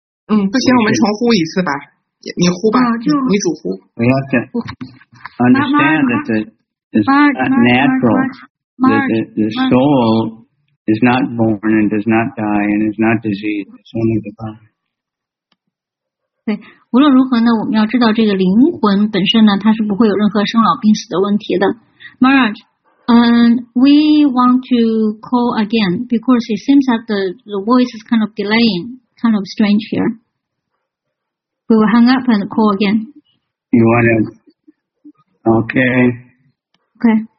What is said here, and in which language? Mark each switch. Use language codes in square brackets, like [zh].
[zh] 不行，我们重呼一次吧，你呼吧，你主呼。 [en] We have to understand that it's not natural. The soul is not born and does not die and is not diseased. It's only the body. [zh] 对，无论如何呢，我们要知道这个灵魂本身呢，它是不会有任何生老病死的问题的 ，Maharaj。 [en] We want to call again because it seems that the voice is kind of delaying, kind of strange here. We will hang up and call again. You want it? Okay. Okay.